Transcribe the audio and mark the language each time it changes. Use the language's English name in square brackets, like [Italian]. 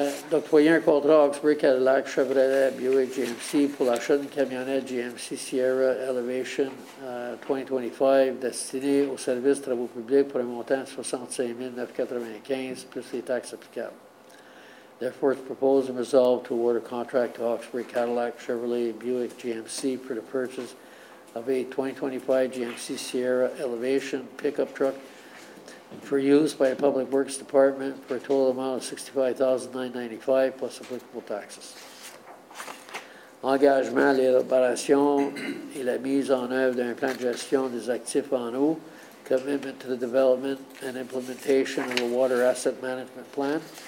[French] D'octroyer un contrat Hawkesbury, Cadillac, Chevrolet, Buick, GMC pour l'achat d'une camionnette GMC Sierra Elevation 2025 destinée au service de travaux publics pour un montant de $65,995 plus les taxes applicables. [English] Therefore, it's proposed and resolved to award a contract to Hawkesbury, Cadillac, Chevrolet, Buick, GMC for the purchase of a 2025 GMC Sierra Elevation pickup truck for use by the Public Works Department for a total amount of $65,995 plus applicable taxes. [French] Engagement, l'élaboration et la mise en œuvre d'un plan de gestion des actifs en eau [English] commitment to the development and implementation of a water asset management plan.